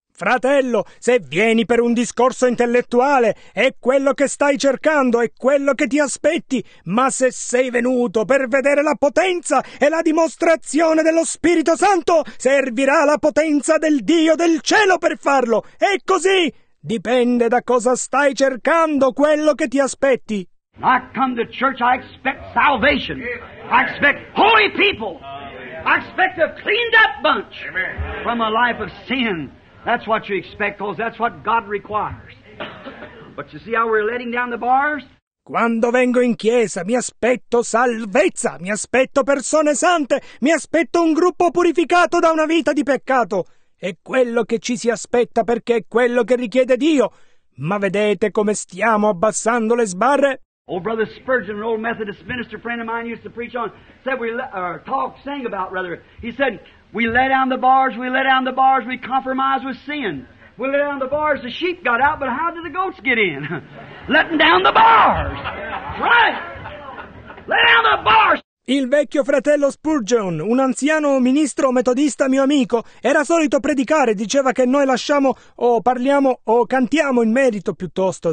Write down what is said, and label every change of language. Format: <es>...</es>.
<it>Fratello, se vieni per un discorso intellettuale, è quello che stai cercando, è quello che ti aspetti. Ma se sei venuto per vedere la potenza e la dimostrazione dello Spirito Santo, servirà la potenza del Dio del cielo per farlo. È così! Dipende da cosa stai cercando, quello che ti aspetti.</it> <en>I come to church, I expect salvation. I expect holy people. I expect a cleaned up bunch from a life of sin. That's what you expect, because that's what God requires. But you see how we're letting down the bars?</en> <it>Quando vengo in chiesa, mi aspetto salvezza, mi aspetto persone sante, mi aspetto un gruppo purificato da una vita di peccato. È quello che ci si aspetta, perché è quello che richiede Dio. Ma vedete come stiamo abbassando le sbarre?</it> <en>Old Brother Spurgeon, an old Methodist minister friend of mine, used to preach on, said we, or talk, sang about, rather. He said, we lay down the bars, we lay down the bars, we compromise with sin. We lay down the bars, the sheep got out, but how did the goats get in? Letting down the bars! Right! Lay down the bars!</en> <it>Il vecchio fratello Spurgeon, un anziano ministro metodista mio amico, era solito predicare, diceva che noi lasciamo o parliamo o cantiamo in merito piuttosto.</it>